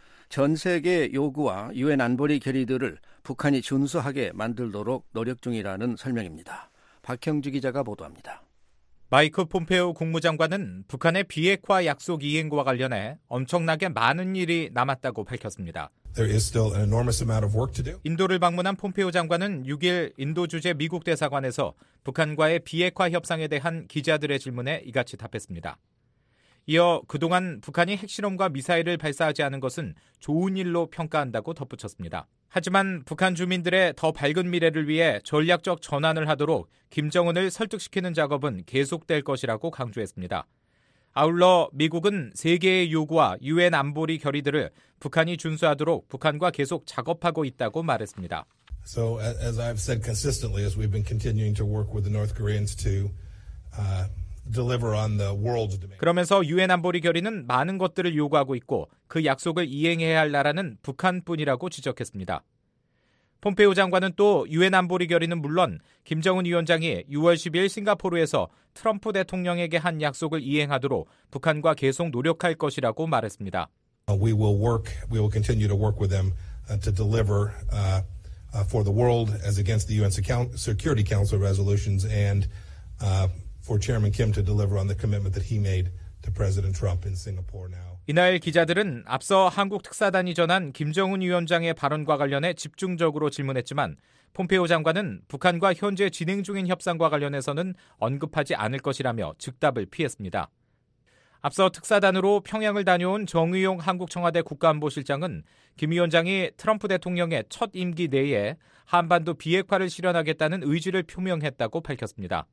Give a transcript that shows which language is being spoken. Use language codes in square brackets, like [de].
[ko] 전 세계 요구와 유엔 안보리 결의들을 북한이 준수하게 만들도록 노력 중이라는 설명입니다. 박형주 기자가 보도합니다. 마이크 폼페오 국무장관은 북한의 비핵화 약속 이행과 관련해 엄청나게 많은 일이 남았다고 밝혔습니다. [en] There is still an enormous amount of work to do. [ko] 인도를 방문한 폼페오 장관은 6일 인도 주재 미국 대사관에서 북한과의 비핵화 협상에 대한 기자들의 질문에 이같이 답했습니다. 이어 그동안 북한이 핵실험과 미사일을 발사하지 않은 것은 좋은 일로 평가한다고 덧붙였습니다. 하지만 북한 주민들의 더 밝은 미래를 위해 전략적 전환을 하도록 김정은을 설득시키는 작업은 계속될 것이라고 강조했습니다. 아울러 미국은 세계의 요구와 유엔 안보리 결의들을 북한이 준수하도록 북한과 계속 작업하고 있다고 말했습니다. [en] So as I've said consistently, as we've been continuing to work with the North Koreans to deliver on the world's demand. [ko] 그러면서 유엔 안보리 결의는 많은 것들을 요구하고 있고 그 약속을 이행해야 할 나라는 북한뿐이라고 지적했습니다. 폼페이오 장관은 또 유엔 안보리 결의는 물론 김정은 위원장이 6월 10일 싱가포르에서 트럼프 대통령에게 한 약속을 이행하도록 북한과 계속 노력할 것이라고 말했습니다. [en] We will work. We will continue to work with them to deliver for the world as against the UN Security Council resolutions and for Chairman Kim to deliver on the commitment that he made to President Trump in Singapore now. [ko] 이날 기자들은 앞서 한국 특사단이 전한 김정은 위원장의 발언과 관련해 집중적으로 질문했지만 폼페이오 장관은 북한과 현재 진행 중인 협상과 관련해서는 언급하지 않을 것이라며 즉답을 피했습니다. 앞서 특사단으로 평양을 다녀온 정의용 한국 청와대 국가안보실장은 김 위원장이 트럼프 대통령의 첫 임기 내에 한반도 비핵화를 실현하겠다는 의지를 표명했다고 밝혔습니다.